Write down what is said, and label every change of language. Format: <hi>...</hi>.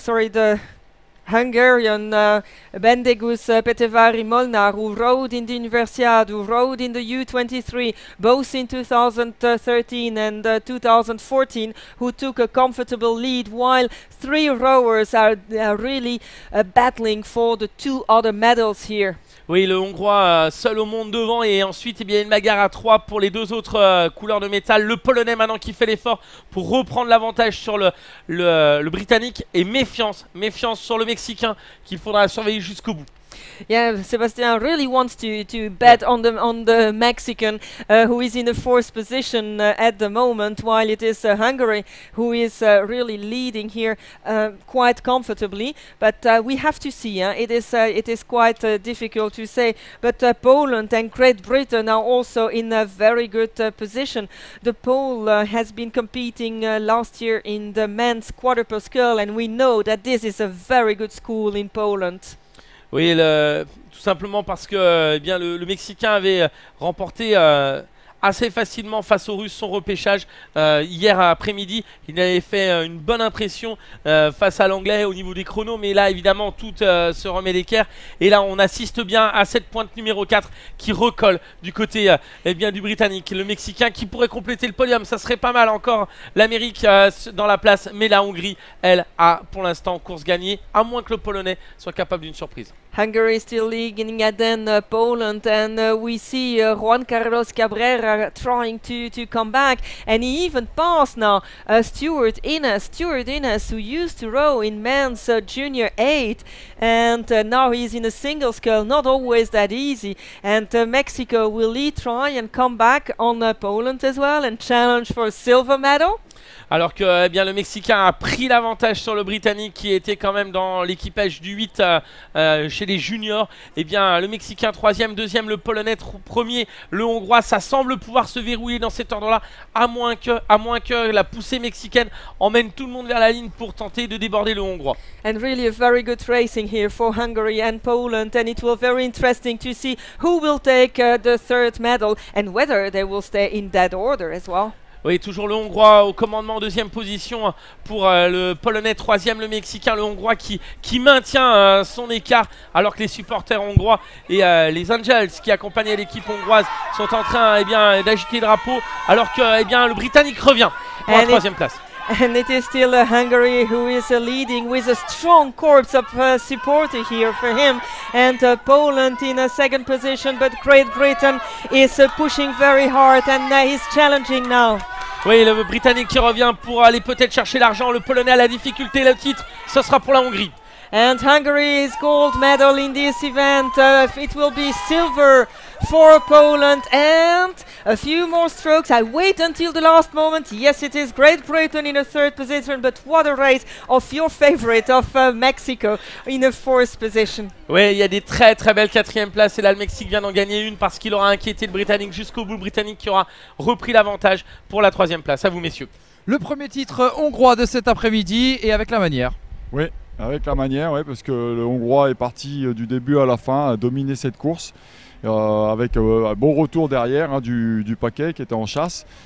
<en>The Hungarian Bendegus Petevari Molnar, who rode in the Universiade, who rode in the U23, both in 2013 and 2014, who took a comfortable lead, while three rowers are really battling for the two other medals here.</en> <fr>Oui, le Hongrois seul au monde devant et ensuite eh bien, une bagarre à trois pour les deux autres couleurs de métal. Le Polonais maintenant qui fait l'effort pour reprendre l'avantage sur le Britannique et méfiance sur le Mexicain qu'il faudra surveiller jusqu'au bout.</fr> <en>Yeah, Sebastian really wants to bet on the Mexican who is in the fourth position at the moment, while it is Hungary who is really leading here quite comfortably. But we have to see. It is quite difficult to say. But Poland and Great Britain are also in a very good position. The Pole has been competing last year in the men's quadruple scull, and we know that this is a very good school in Poland.</en> <fr>Oui, tout simplement parce que eh bien, le Mexicain avait remporté assez facilement face aux Russes son repêchage hier après-midi. Il avait fait une bonne impression face à l'Anglais au niveau des chronos, mais là évidemment tout se remet d'équerre. Et là on assiste bien à cette pointe numéro 4 qui recolle du côté eh bien, du Britannique. Le Mexicain qui pourrait compléter le podium, ça serait pas mal encore l'Amérique dans la place. Mais la Hongrie, elle, a pour l'instant course gagnée, à moins que le Polonais soit capable d'une surprise.</fr> <en>Hungary is still leading, and then Poland, and we see Juan Carlos Cabrera trying to come back, and he even passed now Stuart Innes. Stuart Innes, who used to row in men's junior 8, and now he's in a single scull, not always that easy, and Mexico, will he try and come back on Poland as well and challenge for a silver medal?</en> <fr>Alors que eh bien, le Mexicain a pris l'avantage sur le Britannique qui était quand même dans l'équipage du 8 chez les juniors. Eh bien, le Mexicain 3e, 2e, le Polonais 1er, le Hongrois, ça semble pouvoir se verrouiller dans cet ordre-là. À moins que la poussée mexicaine emmène tout le monde vers la ligne pour tenter de déborder le Hongrois.</fr> <en>And really a very good racing here for Hungary and Poland. And it will be very interesting to see who will take the third medal and whether they will stay in that order as well.</en> <fr>Oui, toujours le Hongrois au commandement, deuxième position pour le Polonais, troisième le Mexicain, le Hongrois qui maintient son écart alors que les supporters hongrois et les Angels qui accompagnaient l'équipe hongroise sont en train eh bien, d'agiter le drapeau alors que eh bien, le Britannique revient pour la troisième place.</fr> <en>And it is still Hungary who is leading with a strong corps of supporters here for him. And Poland in a second position, but Great Britain is pushing very hard and he's challenging now.</en> <fr>Oui, le Britannique qui revient pour aller peut-être chercher l'argent. Le Polonais a la difficulté, le titre, ce sera pour la Hongrie.</fr> <en>And Hungary's gold medal in this event, it will be silver for Poland and a few more strokes. I wait until the last moment. Yes, it is Great Britain in a third position, but what a race of your favorite of Mexico in a fourth position.</en> <fr>Oui, il y a des très très belles quatrièmes places et là le Mexique vient d'en gagner une parce qu'il aura inquiété le Britannique jusqu'au bout. Le Britannique qui aura repris l'avantage pour la troisième place. À vous, messieurs. Le premier titre hongrois de cet après-midi et avec la manière. Oui. Avec la manière, oui, parce que le Hongrois est parti du début à la fin, a dominé cette course, avec un bon retour derrière hein, du paquet qui était en chasse.</fr>